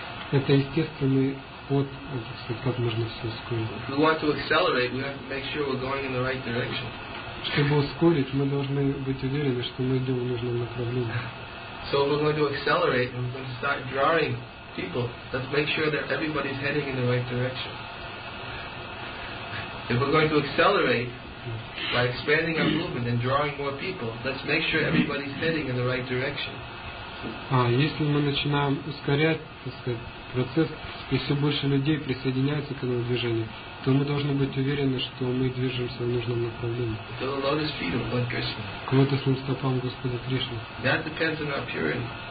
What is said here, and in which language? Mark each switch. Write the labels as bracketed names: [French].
[Russian] Это естественный ход, как можно все ускорить. Чтобы ускорить, мы должны быть уверены, что мы идем в нужном направлении. [English] So if we're going to accelerate, we're going to start drawing people. Let's make sure that everybody's heading in the right direction. If we're going to accelerate by expanding our movement and drawing more people, let's make sure everybody's heading in the right direction. [Russian] Если мы начинаем ускорять, так сказать, процесс, и все больше людей присоединяются к этому движению, то мы должны быть уверены, что мы движемся в нужном направлении. [English] To the lotus feet of Lord Krishna. [Russian] К лотосным стопам Господа Кришны. [English] That depends on our purity.